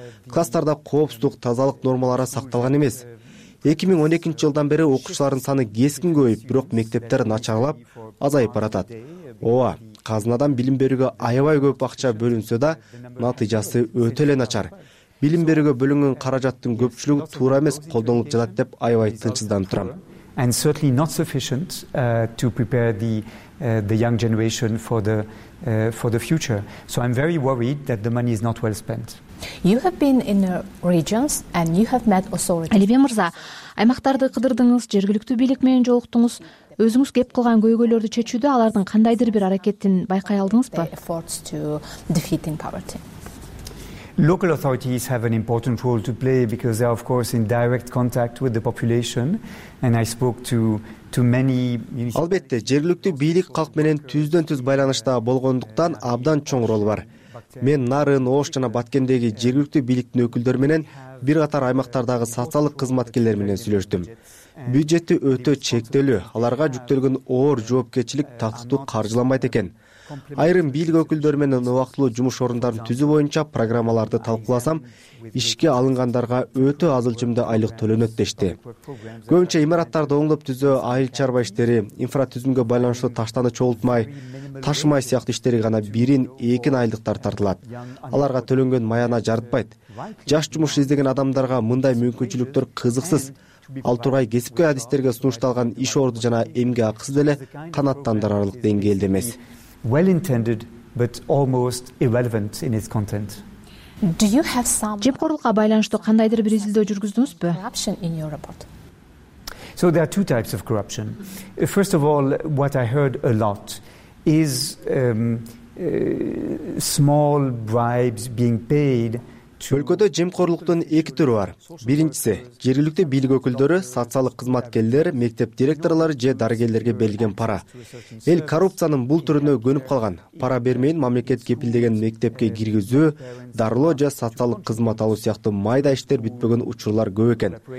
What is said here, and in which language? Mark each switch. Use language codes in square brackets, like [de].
[ky] Класстарда коопсуздук, тазалык нормалары сакталган эмес. 2012 жылдан бери окуучулардын саны кескин көбөйүп, бирок мектептер начарлап, азайып баратат. Ооба, казынадан билим берүүгө аябай көп акча бөлүнсө да, натыйжасы өтө эле начар. Билим берүүгө бөлүнгөн каражаттын көпчүлүгү туура эмес колдонулуп жатат деп аябай тынчсызданып турам. [en] And certainly not sufficient to prepare the young generation for the future. So I'm very worried that the money is not well spent. You have been in the regions and you have met authorities. [ky] Алибек мырза, аймактарды кыдырдыңыз, жергиликтүү бийлик менен жолуктуңуз. Өзүңүз кеп кылган көйгөйлөрдү чечүүдө алардын кандайдыр бир аракетин байкай алдыңызбы? [en] Efforts to defeat poverty. Local authorities have an important role to play because they are of course in direct contact with the population and I spoke to many [ky] Албетте, жергиликтүү бийлик калк менен түздөн-түз байланышта болгондуктан абдан чоң роль бар. Мен Нарын, Ош жана Баткендеги жергиликтүү бийликтин өкүлдөрү менен бир катар аймактардагы социалдык кызматкерлер менен сүйлөштүм. Бюджети өтө чектелүү, аларга жүктөлгөн оор жоопкерчилик татыктуу каржыланбайт экен. Айрым бийлик өкүлдөрү менен убактылуу жумуш орундарын түзүү боюнча программаларды талкууласам, ишке алынгандарга өтө аз өлчөмдө айлык төлөнөт дешти. Көбүнчө имараттарды оңдоп түзөө, айыл чарба иштери, инфратүзүмгө байланыштуу таштаны чогултмай, ташымай сыяктуу иштери гана бирин экин айлыктар тартылат. Аларга төлөнгөн маяна жарытпайт. Жаш жумуш издеген адамдарга мындай мүмкүнчүлүктөр кызыксыз. Ал тургай кесипкөй адистерге сунушталган иш орду жана эмгек акысы деле канааттандырарлык деңгээлде эмес. [en] Well intended but almost irrelevant in its content. Do you have some [ky] жемкорлукка байланыштуу кандайдыр бир изилдөө жүргүздүңүзбү? [en] Corruption in your report. So there are two types of corruption. First of all, what I heard a lot is small bribes being paid. [ky] Өлкөдө жемкорлуктун эки түрү бар. Биринчиси, жергиликтүү бийлик өкүлдөрү, социалдык кызматкерлер, мектеп директорлору же дарыгерлерге берилген пара. Эл коррупциянын бул түрүнө көнүп калган. Пара бермейин мамлекет кепилдеген мектепке киргизүү, дарылоо же социалдык кызмат алуу сыяктуу майда иштер бүтпөгөн учурлар көп экен.